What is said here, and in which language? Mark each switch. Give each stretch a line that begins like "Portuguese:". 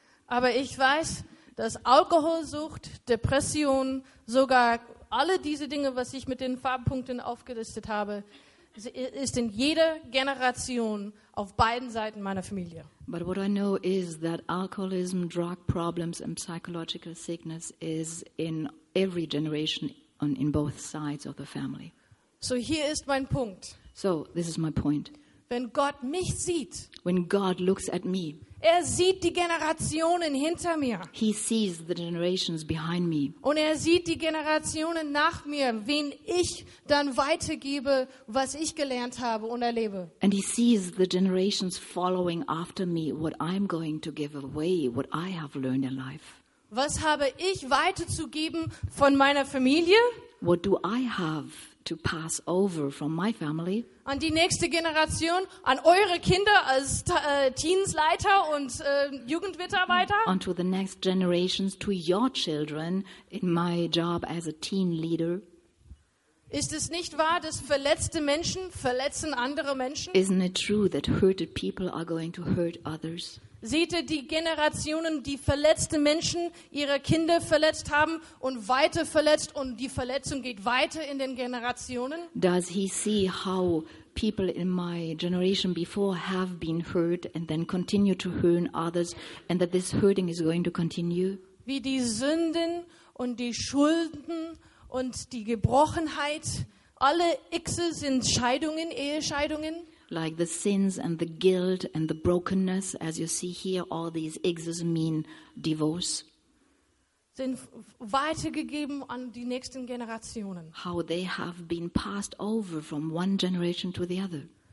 German: Aber ich weiß, dass Alkoholsucht, Depression, sogar alle diese Dinge, was ich mit den Farbpunkten aufgelistet habe, ist in jeder Generation auf beiden Seiten meiner Familie.
English: But what I know is that alcoholism, drug problems and psychological sickness is in every generation in both sides of the family.
German: So hier ist mein Punkt.
English: So this is my point.
German: Wenn Gott mich sieht,
English: when God looks at me,
German: er sieht die Generationen hinter mir.
English: He sees the generations behind me.
German: Und er sieht die Generationen nach mir, wen ich dann weitergebe, was ich gelernt habe und erlebe.
English: And he sees the generations following after me, what I'm going to give away, what I have learned in life.
German: Was habe ich weiterzugeben von meiner Familie?
English: What do I have to pass over from my family?
German: An die nächste Generation, an eure Kinder als Teensleiter und Jugendmitarbeiter?
English: On to the next generations, to your children in my job as a teen leader.
German: Ist es nicht wahr, dass verletzte Menschen verletzen andere Menschen?
English: Isn't it true that hurted people are going to hurt others?
German: Seht ihr die Generationen, die verletzte Menschen ihre Kinder verletzt haben und weiter verletzt und die Verletzung geht weiter in den Generationen?
English: Does he see how people in my generation before have been hurt and then continue to hurt others and that this hurting is going to continue?
German: Wie die Sünden und die Schulden und die Gebrochenheit, alle X'e sind Scheidungen, Ehescheidungen.
English: Like the sins and the guilt and the brokenness, as you see here, all these X's mean divorce.
German: Sind weitergegeben an die nächsten Generationen.
English: How they have been passed over from one generation to the other.